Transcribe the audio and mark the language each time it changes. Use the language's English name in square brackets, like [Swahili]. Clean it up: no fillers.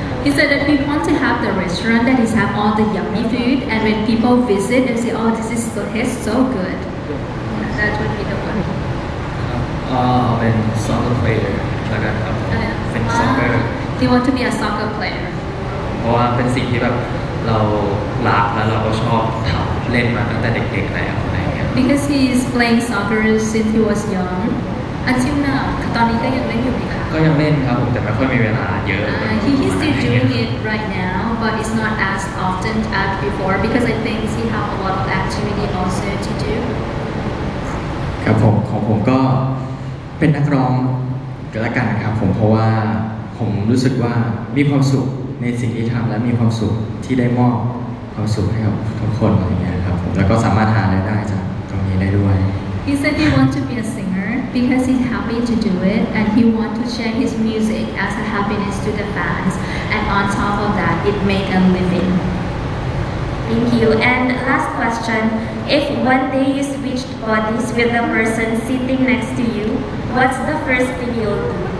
[English] He said that we want to have the restaurant that is have all the yummy food and when people visit and say oh this is so tastes so good that would be the one [Thai] เป็น soccer player แล้วก็ เป็น soccer [English] he want to be a soccer player [Thai] เพราะว่าเป็นสิ่งที่แบบเรารักแล้วเราก็ชอบทำเล่นมาตั้งแต่เด็กๆแล้วอะไรเงี้ย [English] Because he is playing soccer since he was young Until now [Thai] ตอนนี้ก็ยังเล่นอยู่ไหมคะ ก็ยังเล่นครับผมแต่ไม่ค่อยมีเวลาเยอะ [English] He is still doing it right now but it's not as often as before because I think he have a lot of activity also to do [Thai] ครับผมของผมก็เป็นนักร้องก็แล้วกันครับผมเพราะว่าผมรู้สึกว่ามีความสุขในสิ่งที่ทำและมีความสุขที่ได้มอบความสุขให้กับทุกคนอะไรเงี้ยครับผมแล้วก็สามารถหารายได้จากตรงนี้ได้ด้วย [English] He said he want to be a singer because he's happy to do it and he want to share his music as a happiness to the fans and on top of that it make a living Thank you and last question if one day you switched bodies with the person sitting next to you what's the first thing you'll do